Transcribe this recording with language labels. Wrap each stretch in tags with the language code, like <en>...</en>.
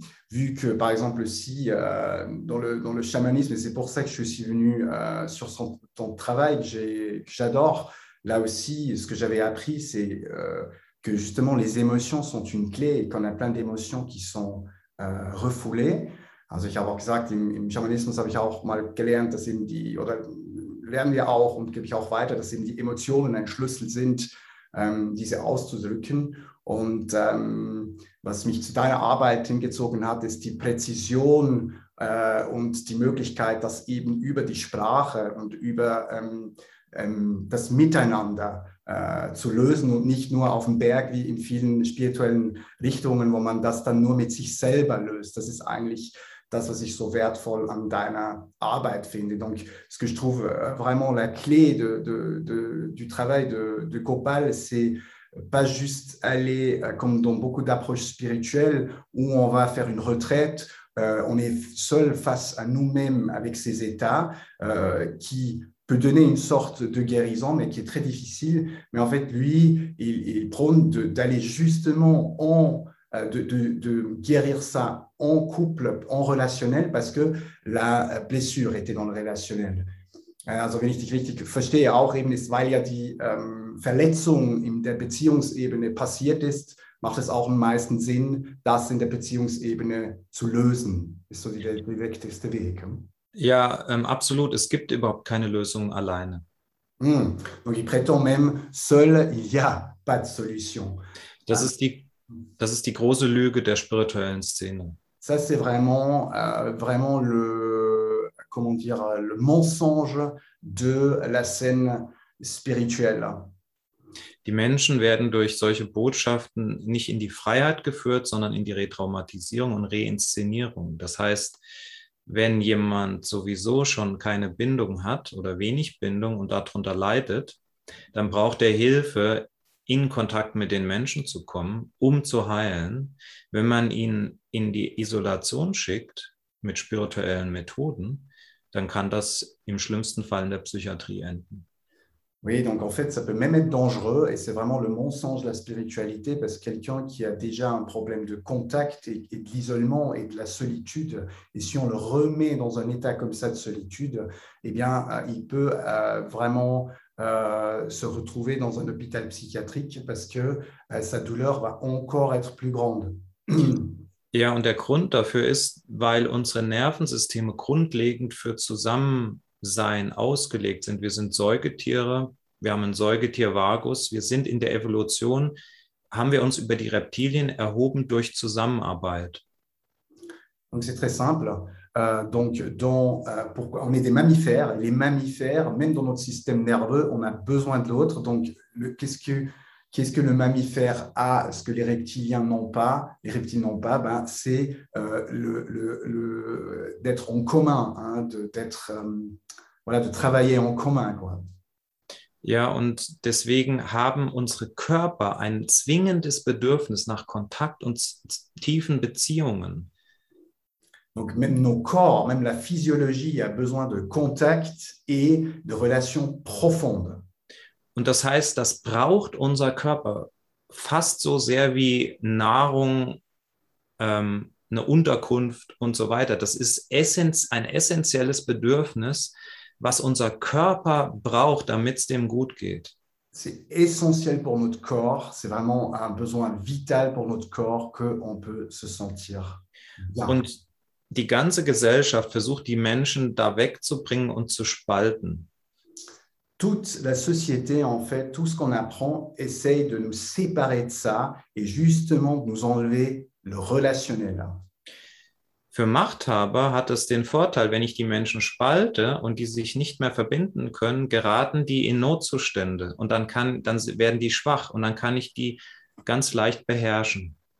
<fr>Vu que par exemple si dans le chamanisme, et c'est pour ça que je suis venu sur ton travail que j'adore, là aussi ce que j'avais appris c'est que justement les émotions sont une clé et qu'on a plein d'émotions qui sont refoulées.</fr> <de>Also ich habe auch gesagt, im Schamanismus habe ich auch mal gelernt, dass eben die, oder lernen wir auch und gebe ich auch weiter, dass eben die Emotionen ein Schlüssel sind, diese auszudrücken. Und was mich zu deiner Arbeit hingezogen hat, ist die Präzision und die Möglichkeit, das eben über die Sprache und über das Miteinander zu lösen und nicht nur auf dem Berg, wie in vielen spirituellen Richtungen, wo man das dann nur mit sich selber löst. Das ist eigentlich das, was ich so wertvoll an deiner Arbeit finde.</de> <fr>Donc, ce que je trouve vraiment la clé du travail de Gopal, c'est pas juste aller comme dans beaucoup d'approches spirituelles où on va faire une retraite, on est seul face à nous-mêmes avec ces états qui peut donner une sorte de guérison, mais qui est très difficile. Mais en fait, lui, il prône d'aller justement en de guérir ça en couple, en relationnel, parce que la blessure était dans le relationnel.</fr> <de>Also wenn ich dich richtig verstehe, auch eben ist, weil ja die Verletzung in der Beziehungsebene passiert ist, macht es auch am meisten Sinn, das in der Beziehungsebene zu lösen. Ist so der direkteste Weg. Ja, absolut. Es gibt überhaupt keine Lösung alleine.</de> <fr>Donc il prétend même seul, il n'y a pas de solution.</fr> <de>Das ist die große Lüge der spirituellen Szene.</de> <fr>Ça, c'est vraiment le... comment dire, le mensonge de la scène spirituelle.</fr> <de>Die Menschen werden durch solche Botschaften nicht in die Freiheit geführt, sondern in die Retraumatisierung und Reinszenierung. Das heißt, wenn jemand sowieso schon keine Bindung hat oder wenig Bindung und darunter leidet, dann braucht er Hilfe, in Kontakt mit den Menschen zu kommen, um zu heilen. Wenn man ihn in die Isolation schickt mit spirituellen Methoden, dann kann das im schlimmsten Fall in der Psychiatrie enden.</de> <fr>Oui, donc en fait, ça peut même être dangereux et c'est vraiment le mensonge de la spiritualité parce que quelqu'un qui a déjà un problème de contact et de l'isolement et de la solitude, et si on le remet dans un état comme ça de solitude, eh bien, il peut vraiment se retrouver dans un hôpital psychiatrique parce que sa douleur va encore être plus grande.</fr> <de>Ja, und der Grund dafür ist, weil unsere Nervensysteme grundlegend für Zusammensein ausgelegt sind. Wir sind Säugetiere, wir haben ein Säugetier-Vagus, wir sind in der Evolution, haben wir uns über die Reptilien erhoben durch Zusammenarbeit.</de> <fr>Donc c'est très simple. On est des mammifères, les mammifères, même dans notre système nerveux, on a besoin de l'autre. Donc qu'est-ce que le mammifère a, ce que les reptiles n'ont pas, ben, c'est le d'être en commun, hein, de travailler en commun, quoi.</fr> <de>Ja, und deswegen haben unsere Körper ein zwingendes Bedürfnis nach Kontakt und tiefen Beziehungen.</de> <fr>Donc même nos corps, même la physiologie a besoin de contact et de relations profondes.</fr> <de>Und das heißt, das braucht unser Körper fast so sehr wie Nahrung, eine Unterkunft und so weiter. Das ist ein essentielles Bedürfnis, was unser Körper braucht, damit es dem gut geht.</de> <fr>C'est essentiel pour notre corps, c'est vraiment un besoin vital pour notre corps qu'on peut se sentir bien.</fr> <de>Und die ganze Gesellschaft versucht, die Menschen da wegzubringen und zu spalten.</de> <fr>Toute la société, en fait, tout ce qu'on apprend, essaye de nous séparer de ça et justement de nous enlever le relationnel.</fr> <de>Für Machthaber hat es den Vorteil, wenn ich die Menschen spalte und die sich nicht mehr verbinden können, geraten die in Notzustände und dann werden die schwach und dann kann ich die ganz leicht beherrschen.</de>